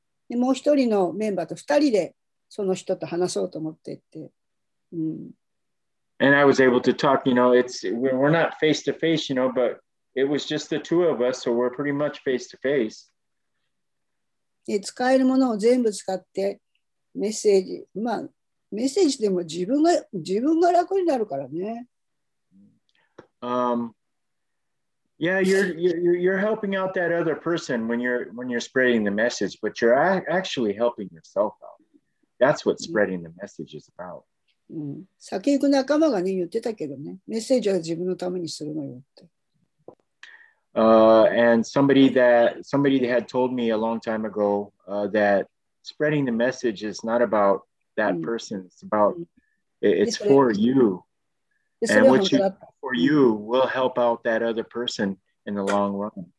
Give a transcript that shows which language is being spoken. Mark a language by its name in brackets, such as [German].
[Japanese] もう一人のメンバーと二人でその人と話そうと思ってって、 [English] And I was able to talk. You know, we're not face to face, you know, but. It was just the two of us, so we're pretty much face to face. [Japanese] 使えるものを全部使ってメッセージ、まあメッセージでも自分が楽になるからね。 [English] Yeah, you're helping out that other person when you're spreading the message, but you're actually helping yourself out. That's what spreading the message is about. [Japanese] 先行く仲間がね言ってたけどね、メッセージは自分のためにするのよって。 [English] And somebody that had told me a long time ago that spreading the message is not about that person, it's about it's for you. And what you do for you will help out that other person in the long run.